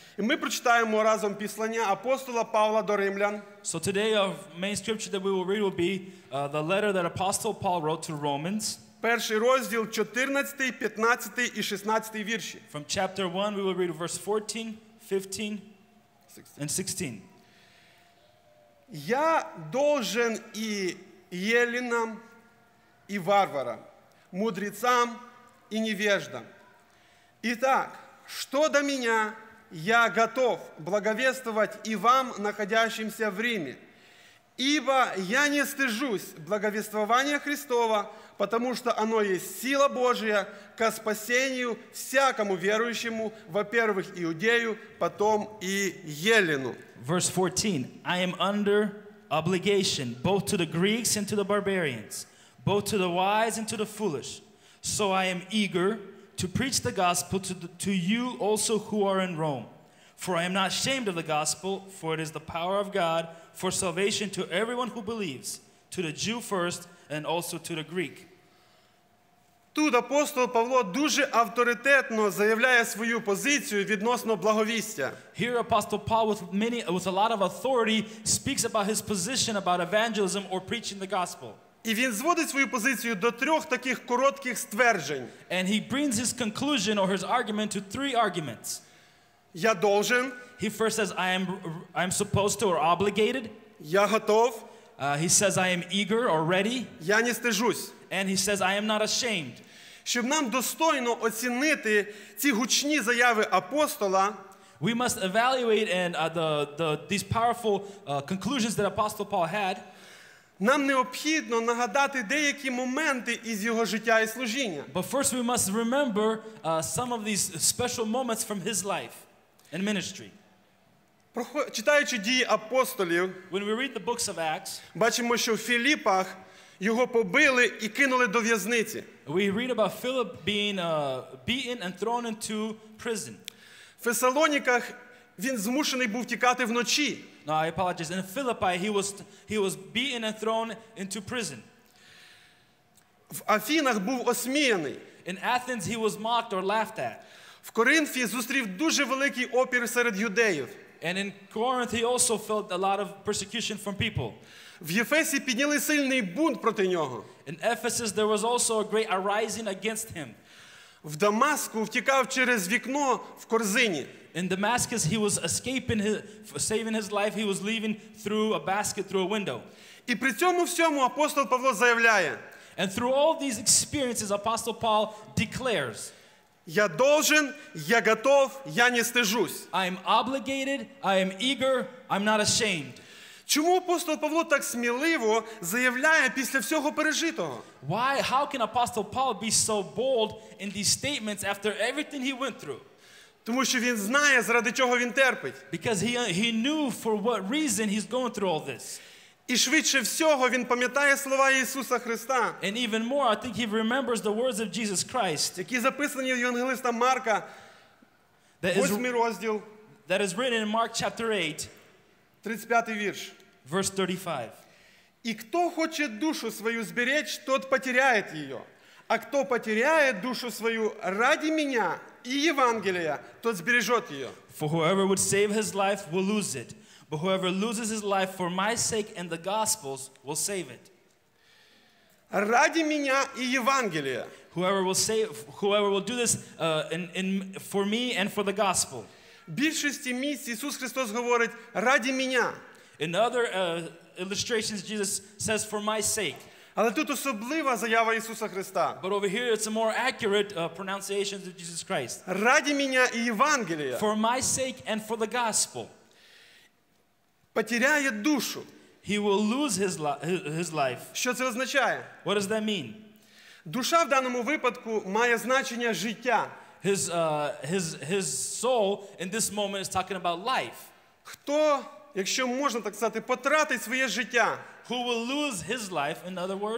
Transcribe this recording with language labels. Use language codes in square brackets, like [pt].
[uk] І ми прочитаємо разом послання апостола Павла до римлян. [en] So today our main scripture that we will read will be the letter that Apostle Paul wrote to Romans. [uk] Перший розділ, 14, 15 і 16 вірші. [en] From chapter 1 we will read verse 14, 15 16. And 16. [ru] Я должен і єлінам, і варварам, мудрецам і невеждам. Итак, що до мене, я готов благовествовать і вам, находящимся в Риме. Ибо я не стыжусь благовествования Христова, потому что оно есть сила Божия ко спасению всякому верующему, во-первых, Иудею, потом и Елену. [en] Verse 14. I am under obligation both to the Greeks and to the barbarians, both to the wise and to the foolish. So I am eager to preach the gospel to you also who are in Rome. For I am not ashamed of the gospel, for it is the power of God for salvation to everyone who believes, to the Jew first and also to the Greek. [uk] Тут апостол Павло дуже авторитетно заявляє свою позицію відносно благовістя. [en] Here Apostle Paul with a lot of authority speaks about his position about evangelism or preaching the gospel. [uk] І він зводить свою позицію до трьох таких коротких стверджень. [en] And he brings his conclusion or his argument to three arguments. [ru] Я должен. [en] He first says I am supposed to or obligated. [ru] Я готов. [en] He says I am eager or ready. [ru] Я не стежусь. [en] And he says I am not ashamed. [uk] Щоб нам достойно оцінити ці гучні заяви апостола, [en] we must evaluate and these powerful conclusions that Apostle Paul had. [uk] Нам необхідно нагадати деякі моменти із його життя і служіння. [en] But first we must remember some of these special moments from his life and ministry. [uk] Читаючи дії апостолів, [en] when we read the books of Acts, [uk] бачимо, що в Філіппах Його побили і кинули до в'язниці. [en] We read about Philip being beaten and thrown into prison. [uk] В Фесалоніках він змушений був тікати вночі. [en] No, I apologize. In Philippi he was beaten and thrown into prison. [uk] В Афінах був осміяний. [en] In Athens he was mocked or laughed at. [uk] В Коринфі зустрів дуже великий опір серед юдеїв. [en] And in Corinth he also felt a lot of persecution from people. [uk] В Єфесі підняли сильний бунт проти нього. [en] In Ephesus there was also a great arising against him. [uk] В Дамаску втікав через вікно в корзині. [en] In Damascus he was escaping saving his life he was leaving through a basket through a window. [uk] І при цьому всьому апостол Павло заявляє. [en] And through all these experiences apostle Paul declares. [ru] Я должен, я готов, я не стежусь. [en] I am obligated, I am eager, I'm not ashamed. [uk] Чому апостол Павло так сміливо заявляє після всього пережитого? [en] Why, how can apostle Paul be so bold in these statements after everything he went through? [uk] Тому що він знає, заради чого він терпить. [en] Because he knew for what reason he's going through all this. [uk] І швидше всього він пам'ятає слова Ісуса Христа. [en] And even more, I think he remembers the words of Jesus Christ. [uk] Які записані в Євангелиста Марка, 8 розділ. [en] That is written in Mark chapter 8. [uk] 35 вірш. [en] Verse 35. [uk] І хто хоче душу свою зберечь, тот потеряє її. А хто потеряє душу свою ради мене і Євангелія, тот збереже її. [en] For whoever would save his life will lose it. But whoever loses his life for my sake and the gospel's will save it. [uk] Ради мене і Євангелія. [en] Whoever will do this for me and for the gospel. [uk] Більшості місць Ісус Христос говорить ради мене. [en] In other illustrations Jesus says for my sake. [uk] Але тут особлива заява Ісуса Христа. [en] But over here it's a more accurate pronunciation of Jesus Christ. [uk] Ради мене і Євангелія. [en] For my sake and for the gospel. [uk] Потеряє душу. [en] He will lose his life. [uk] Що це означає? [en] What does that mean? [uk] Душа в даному випадку має значення життя. [en] His soul in this moment is talking about life. [uk] Хто, якщо можна так сказати, потратить своє життя? [en] Who will lose his life, in other words?